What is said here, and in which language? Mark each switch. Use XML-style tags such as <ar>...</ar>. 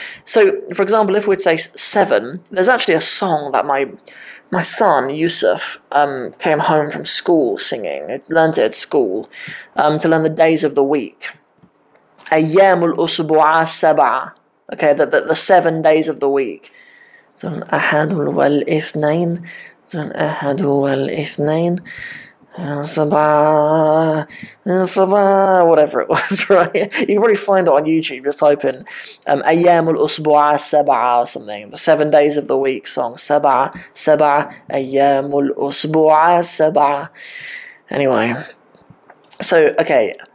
<en>So, for example, if we'd say 7, there's actually a song that my son, Yusuf, came home from school singing. He learned it at school to learn the days of the week.</en> <ar>أيام الأسبوع سبعة.</ar> <en>Okay, the 7 days of the week.</en> <ar>Dun أحد والإثنين. Dun أحد والإثنين.</ar> <en>Whatever it was, right? You can probably find it on YouTube. Just type in</en> <ar>Ayyam al-Usbu'a Saba'a</ar> <en>or something. The 7 days of the week song.</en> <ar>Saba'a, Saba'a, Ayyam al-Usbu'a Saba'a.</ar> <en>Anyway. So, okay.</en>